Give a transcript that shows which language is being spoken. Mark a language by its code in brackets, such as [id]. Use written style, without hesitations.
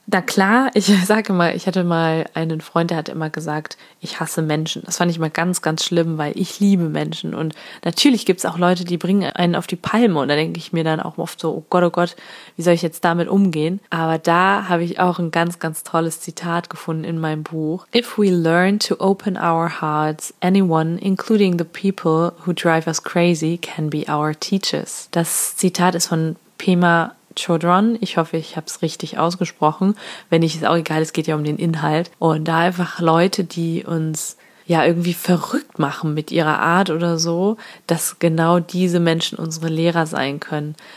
[de] Na klar, ich sage mal, ich hatte mal einen Freund, der hat immer gesagt, ich hasse Menschen. Das fand ich mal ganz, ganz schlimm, weil ich liebe Menschen. Und natürlich gibt es auch Leute, die bringen einen auf die Palme. Und da denke ich mir dann auch oft so, oh Gott, wie soll ich jetzt damit umgehen? Aber da habe ich auch ein ganz, ganz tolles Zitat gefunden in meinem Buch. [en] If we learn to open our hearts, anyone, including the people who drive us crazy, can be our teachers. [de] Das Zitat ist von Pema Chodron. Ich hoffe, ich habe es richtig ausgesprochen. Wenn nicht, ist auch egal, es geht ja um den Inhalt. Und da einfach Leute, die uns ja irgendwie verrückt machen mit ihrer Art oder so, dass genau diese Menschen unsere Lehrer sein können.